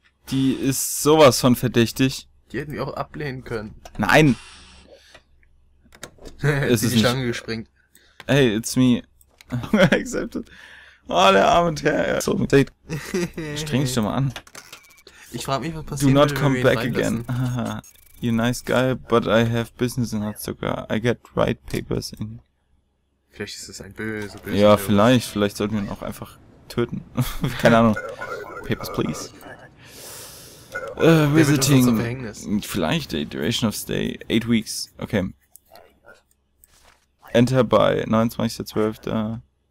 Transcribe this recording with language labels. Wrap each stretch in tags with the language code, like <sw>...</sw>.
<de>Die ist sowas von verdächtig. Die hätten wir auch ablehnen können. Nein! Es ist die Stange gesprengt.</de> <en>Hey, it's me. Accepted.</en> <de>Oh, der arme Herr. So, streng dich doch mal an. Ich frag mich, was passiert.</de> <en>Do not come back again. You nice guy, but I have business in Hatsuka. I get right papers in.</en> <de>Vielleicht ist das ein böse. Ja, vielleicht. Oder? Vielleicht sollten wir ihn auch einfach töten. Keine Ahnung.</de> <en>Papers, please. Visiting. Vielleicht, duration of stay. 8 weeks. Okay. Enter by 29.12.</en>